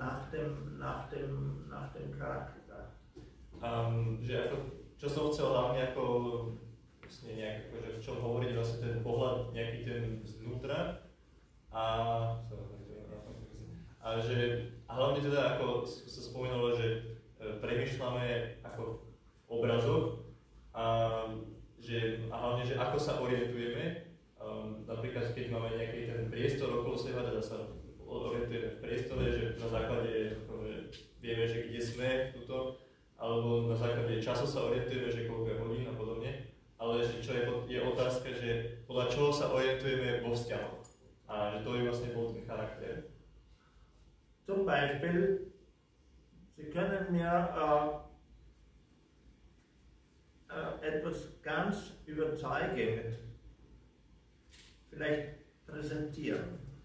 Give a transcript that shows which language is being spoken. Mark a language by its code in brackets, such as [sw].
[de] Wir orientieren uns sozusagen nach dem Charakter. [sk] Že ako, čo som chcel hlavne ako, vlastne nejak, akože v čom hovoriť vlastne ten pohľad nejaký ten znútra a že a hlavne teda ako sa spomínalo, že premýšľame ako obrazov a hlavne, že ako sa orientujeme, napríklad keď máme nejaký ten priestor okolo seba, teda sa orientujeme v priestore, že na základe ako, že vieme, že kde sme tuto, alebo na základe času sa orientujeme, že koľko je hodín a podobne, ale že čo je otázka, že podľa čoho sa orientujeme vo vzťahu. A že to je vlastne bol ten charakter. [de] Zum Beispiel, Sie können mir etwas ganz überzeugend vielleicht präsentieren.